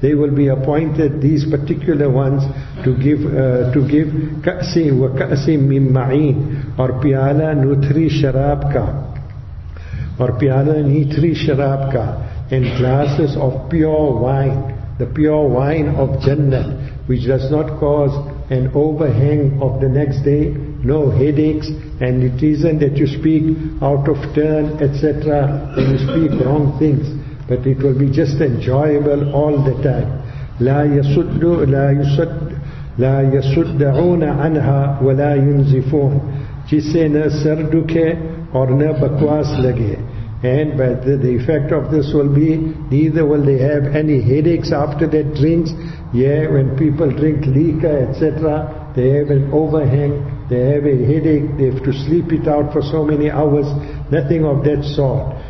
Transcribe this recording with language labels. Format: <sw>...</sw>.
<en>They will be appointed, these particular ones, to give ka'si wa ka'si min ma'in, or piyala nutri sharab ka, or piyala nitri sharab ka, and glasses of pure wine, the pure wine of Jannah, which does not cause an overhang of the next day, no headaches, and it isn't that you speak out of turn, etc., and you speak wrong things, but it will be just enjoyable all the time.</en> <ar>لا يصدعون عنها ولا ينزفون</ar> <ur>جسے نہ سر دکھے اور نہ بکواس لگے.</ur> <en>And by the effect of this will be, neither will they have any headaches after that drinks. Yeah, when people drink liquor, etc., they have an overhang, they have a headache, they have to sleep it out for so many hours, nothing of that sort.</en>